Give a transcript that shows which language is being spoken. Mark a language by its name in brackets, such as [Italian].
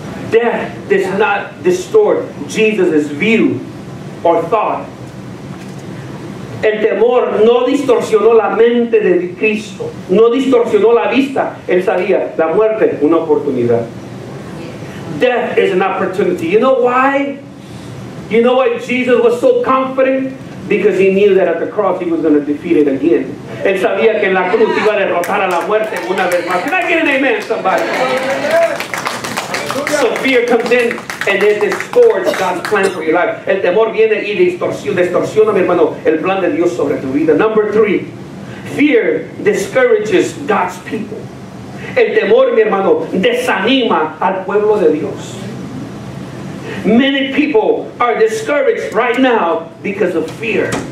[English] Death does not distort Jesus' view or thought. [Spanish] El temor no distorsionó la mente de Cristo. No distorsionó la vista. Él sabía, la muerte, una oportunidad. [English] Death is an opportunity. You know why? You know why Jesus was so confident? Because he knew that at the cross he was going to defeat it again. [Spanish] Él sabía que en la cruz iba a derrotar a la muerte una vez más. [English] Can I get an amen, somebody? So fear comes in and it distorts God's plan for your life. [Spanish] El temor viene y distorsiona, mi hermano, el plan de Dios sobre tu vida. [English] Number three, fear discourages God's people. [Spanish] El temor, mi hermano, desanima al pueblo de Dios. [English] Many people are discouraged right now because of fear.